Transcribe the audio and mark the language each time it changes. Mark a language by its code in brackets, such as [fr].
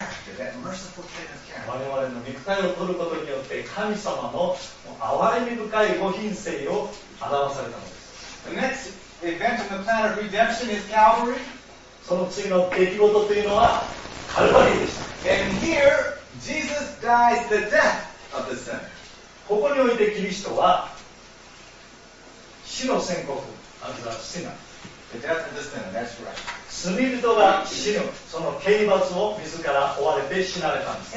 [ja] 我々の肉体を取ることによって神様の憐れみ深いご品性を表されたのです。 [en] The next event in the plan of redemption is Calvary. [ja] その次の出来事というのはカルバリーでした。 [en] And here Jesus dies the death of the sinner. [ja] ここにおいてキリストは死の宣告、あるいは死な、罪人が死ぬ、その刑罰を自ら追われて死なれたんです、